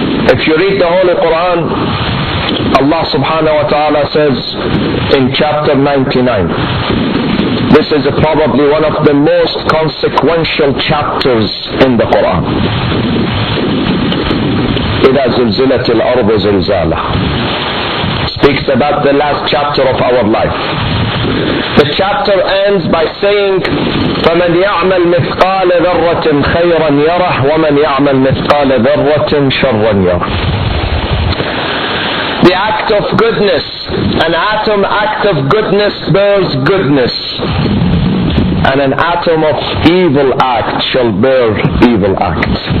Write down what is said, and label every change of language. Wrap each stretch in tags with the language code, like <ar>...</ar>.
<en>If you read the Holy Quran, Allah subhanahu wa ta'ala says in chapter 99, this is probably one of the most consequential chapters in the Quran.</en> <ar>إِذَا زُلْزِلَتِ الْأَرْضُ زُلْزَالَهَا</ar> <en>speaks about the last chapter of our life. The chapter ends by saying,</en> <ar>فَمَنْ يَعْمَلْ مِثْقَالَ ذَرَّةٍ خَيْرًا يَرَهْ وَمَنْ يَعْمَلْ مِثْقَالَ ذَرَّةٍ شَرًّا يَرَهْ.</ar> <en>The act of goodness, an atom act of goodness bears goodness, and an atom of evil act shall bear evil act.</en>